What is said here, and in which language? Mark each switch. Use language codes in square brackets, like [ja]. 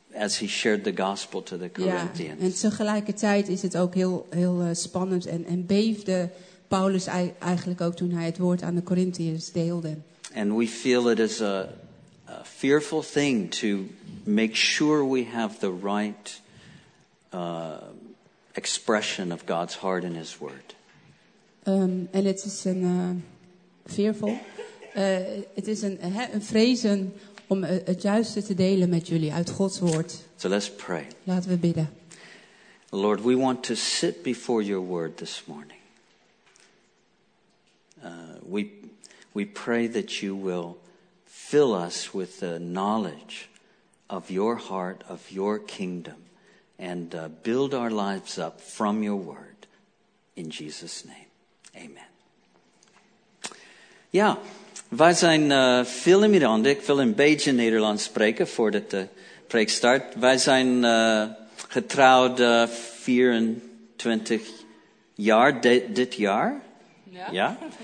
[en] As he shared the gospel to the Corinthians. [nl] Ja, en tegelijkertijd is het ook heel spannend en beefde Paulus eigenlijk ook toen hij het woord aan de Corinthiërs deelde. [en] And we feel it is a fearful thing to make sure we have the right expression of God's heart in His word. [nl] En het is een fearful. Het is een vrezen. Om het juiste te delen met jullie uit Gods woord. [en] So let's pray. [nl] Laten we bidden. [en] Lord, we want to sit before your word this morning. We pray that you will fill us with the knowledge of your heart, of your kingdom. And build our lives up from your word. In Jesus' name. Amen. Ja. [nl] Wij zijn veel in Miranda, ik wil een beetje Nederlands spreken voordat de preek start. Wij zijn getrouwd 24 jaar, dit jaar, ja.